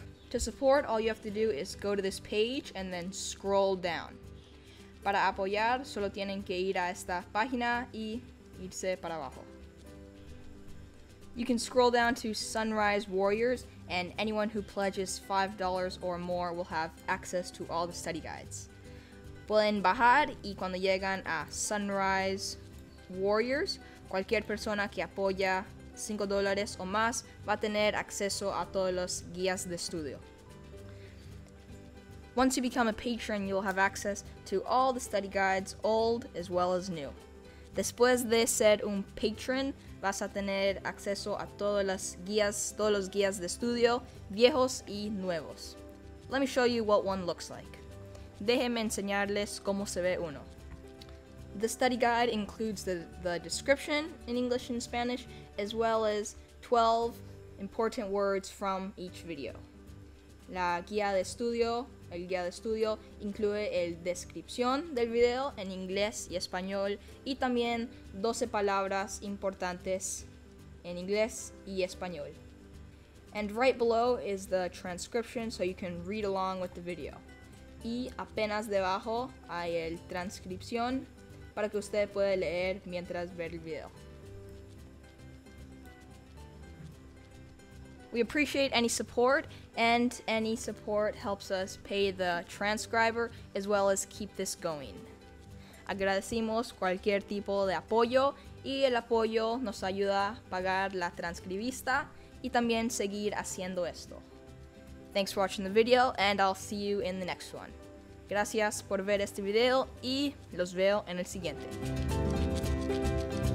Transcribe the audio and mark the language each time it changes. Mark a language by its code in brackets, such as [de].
[en] To support, all you have to do is go to this page and then scroll down. [es] Para apoyar, solo tienen que ir a esta página y irse para abajo. [en] You can scroll down to Sunrise Warriors, and anyone who pledges $5 or more will have access to all the study guides. [es] Pueden bajar y cuando llegan a Sunrise Warriors, cualquier persona que apoya $5 o más va a tener acceso a todos los guías de estudio. [en] Once you become a patron, you'll have access to all the study guides, old as well as new. [es] Después de ser un patron, vas a tener acceso a todos los guías de estudio, viejos y nuevos. [en] Let me show you what one looks like. [es] Déjenme enseñarles cómo se ve uno. [en] The study guide includes the description in English and Spanish, as well as 12 important words from each video. [es] La guía de estudio, el guía de estudio, incluye el descripción del video en inglés y español, y también 12 palabras importantes en inglés y español. [en] And right below is the transcription, so you can read along with the video. [es] Y apenas debajo hay el transcripción, para que usted pueda leer mientras ve el video. [en] We appreciate any support, and any support helps us pay the transcriber as well as keep this going. [es] Agradecemos cualquier tipo de apoyo, y el apoyo nos ayuda a pagar la transcribista y también seguir haciendo esto. [en] Thanks for watching the video, and I'll see you in the next one. [es] Gracias por ver este video y los veo en el siguiente.